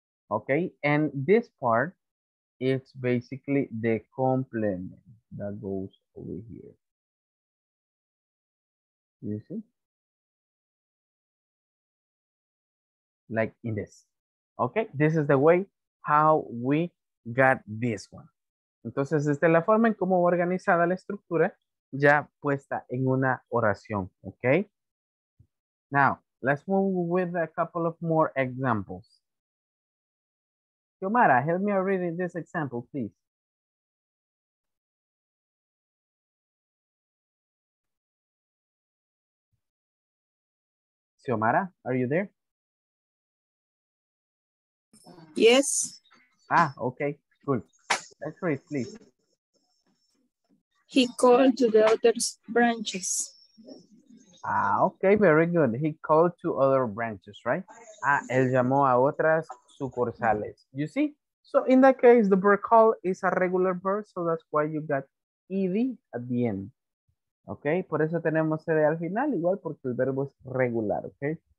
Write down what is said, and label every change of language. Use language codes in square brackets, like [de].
[en] Okay, and this part It's basically the complement that goes over here. You see? Like in this. Okay, this is the way how we got this one. [es] Entonces, esta es la forma en cómo va organizada la estructura ya puesta en una oración. [en] Okay? Now, let's move with a couple of more examples. Yomara, help me read this example, please. Yomara, are you there? Yes. Ah, okay, cool. Let's read, please. He called to the other branches. Ah, okay, very good. He called to other branches, right? [es] Ah, él llamó a otras sucursales. [en] You see? So in that case, the verb call is a regular verb, so that's why you got ed at the end. [es] Okay, por eso tenemos ed al final, igual porque el verbo es regular, okay?